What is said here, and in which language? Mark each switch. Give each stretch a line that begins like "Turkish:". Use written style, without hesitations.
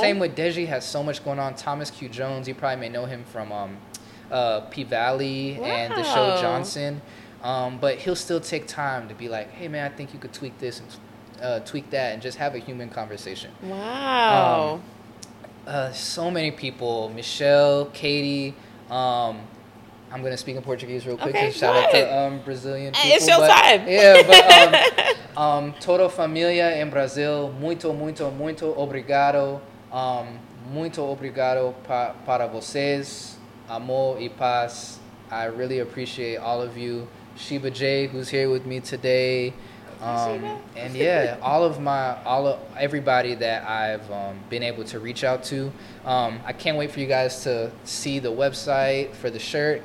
English: Same with Deji, has so much going on. Thomas Q. Jones, you probably may know him from P-Valley and the show Johnson, but he'll still take time to be like, "Hey man, I think you could tweak this and tweak that, and just have a human conversation." Wow. So many people, Michelle, Katie, I'm going to speak in Portuguese real quick. Okay, shout out to Brazilian people. It's your time. Yeah, but
Portuguese: toda família em Brasil, muito, muito, muito obrigado. Muito obrigado para vocês. Amor e paz.
English: I really appreciate all of you. Sheba J, who's here with me today. And yeah, everybody that I've been able to reach out to. I can't wait for you guys to see the website for the shirt.